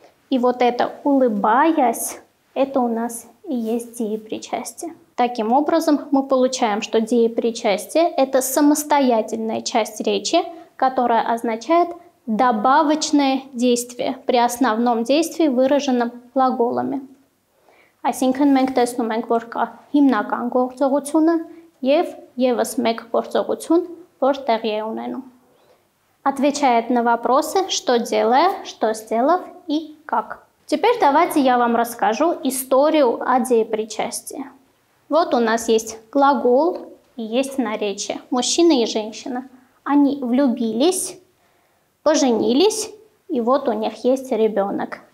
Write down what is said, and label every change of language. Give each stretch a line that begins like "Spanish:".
Russian: И вот это «улыбаясь» — это у нас и есть деепричастие. Таким образом, мы получаем, что деепричастие – это самостоятельная часть речи, которая означает добавочное действие при основном действии, выраженном глаголами.
Armenian: Այսինքն մենք տեսնում ենք, որ կա հիմնական գործողությունը և ևս մեկ գործողություն, որ տեղի է ունենում.
Russian: Отвечает на вопросы, что делая, что сделав и как. Теперь давайте я вам расскажу историю о деепричастии. Вот у нас есть глагол и есть наречие. Мужчина и женщина. Они влюбились, поженились, и вот у них есть ребенок.